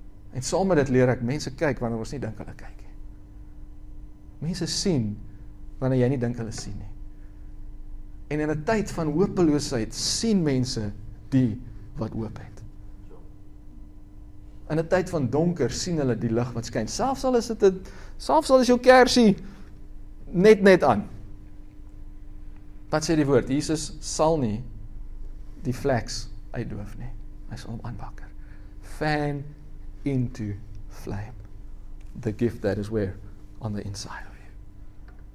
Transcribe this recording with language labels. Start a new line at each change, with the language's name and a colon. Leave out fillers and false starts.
Afrikaans: En saam met dit leer ek mense kyk wanneer ons nie dink hulle kyk nie. Mense sien wanneer jy nie dink hulle sien nie. En in 'n tyd van hopeloosheid sien mense die wat hoop het. In 'n tyd van donker sien hulle die lig wat skyn. Selfs al is dit jou kersie net aan. Wat sê die woord? Jesus sal nie die vlek uitdoof nie. Hy sal hom aanwakker.
English: Fan into flame. The gift that is where on the inside of you.